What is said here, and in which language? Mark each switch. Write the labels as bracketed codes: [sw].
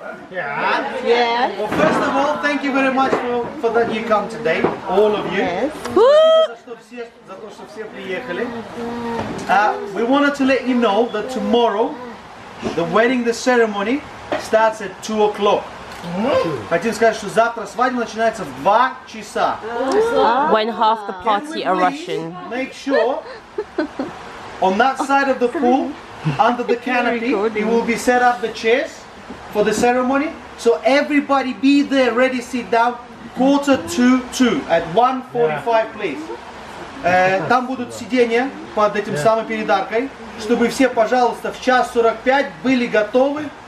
[en] Yeah. Well, first of all, thank you very much for that you come today, all of you. Yes. We wanted to let you know that tomorrow the wedding, the ceremony starts at 2 o'clock. [ru] Хотим сказать, что завтра свадьба начинается в 2 часа. [en] When half the party are Russian. Make sure on that side of the pool, under the canopy, it will be set up the chairs for the ceremony. So everybody be there, ready, sit down, 1:45 at 1:45, please. [ru] Там будут сиденья под этим самым перед аркой, чтобы все, пожалуйста, в 1:45 были готовы.